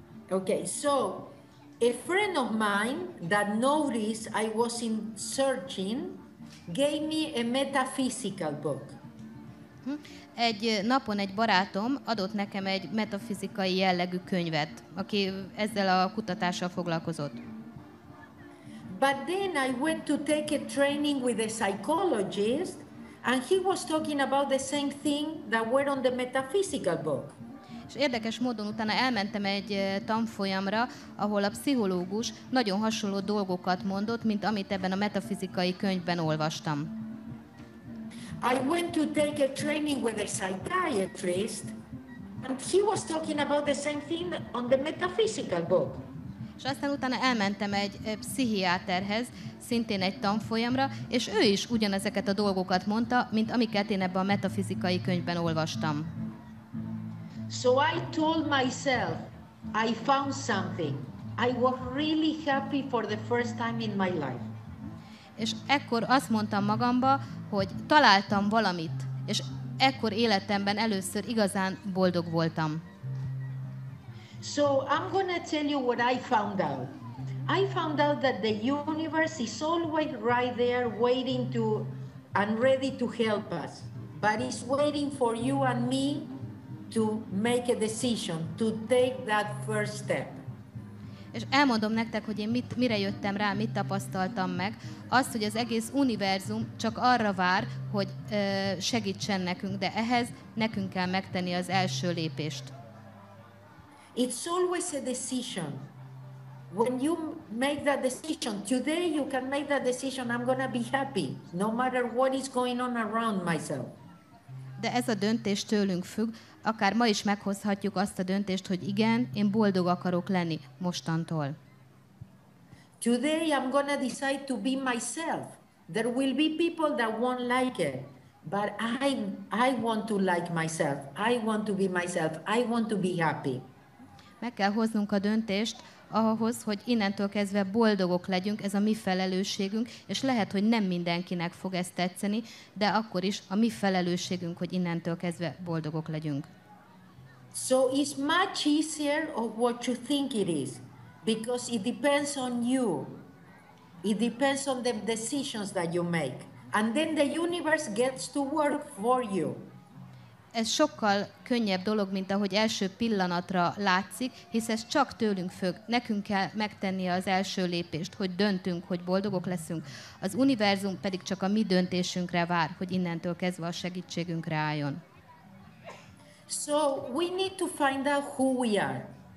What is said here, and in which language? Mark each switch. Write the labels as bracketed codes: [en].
[en] Okay, so a friend of mine that noticed I was in searching gave me a metaphysical book. [hu] Egy napon egy barátom adott nekem egy metafizikai jellegű könyvet, aki ezzel a kutatással foglalkozott. [en] But then I went to take a training with a psychologist and he was talking about the same thing that were on the metaphysical book. [hu] És érdekes módon utána elmentem egy tanfolyamra, ahol a pszichológus nagyon hasonló dolgokat mondott, mint amit ebben a metafizikai könyvben olvastam. [en] I went to take a training with a psychiatrist and he was talking about the same thing on the metaphysical book. [hu] És aztán utána elmentem egy pszichiáterhez, szintén egy tanfolyamra, és ő is ugyanezeket a dolgokat mondta, mint amiket én ebben a metafizikai könyvben olvastam. [en] So I told myself, I found something. I was really happy for the first time in my life. [hu] És ekkor azt mondtam magamba, hogy találtam valamit, és ekkor életemben először igazán boldog voltam. [en] So I'm going to tell you what I found out. I found out that the universe is always right there waiting to and ready to help us. But it's waiting for you and me to make a decision, to take that first step. [hu] És elmondom nektek, hogy én mire jöttem rá, mit tapasztaltam meg. Azt, hogy az egész univerzum csak arra vár, hogy segítsen nekünk, de ehhez nekünk kell megtenni az első lépést. [en] It's always a decision. When you make that decision, today you can make that decision, I'm going to be happy, no matter what is going on around myself. [hu] De ez a döntés tőlünk függ. Akár ma is meghozhatjuk azt a döntést, hogy igen, én boldog akarok lenni mostantól. [en] Today I'm going to decide to be myself. There will be people that won't like it. But I want to like myself. I want to be myself. I want to be happy. [hu] Meg kell hoznunk a döntést ahhoz, hogy innentől kezdve boldogok legyünk, ez a mi felelősségünk, és lehet, hogy nem mindenkinek fog ezt tetszeni, de akkor is a mi felelősségünk, hogy innentől kezdve boldogok legyünk. [en] So it's much easier of what you think it is, because it depends on you. It depends on the decisions that you make. And then the universe gets to work for you. [hu] ez sokkal könnyebb dolog, mint ahogy első pillanatra látszik, hisz ez csak tőlünk függ. Nekünk kell megtennie az első lépést, hogy döntünk, hogy boldogok leszünk. Az univerzum pedig csak a mi döntésünkre vár, hogy innentől kezdve a segítségünkre álljon. [en] So we need to find out who we are.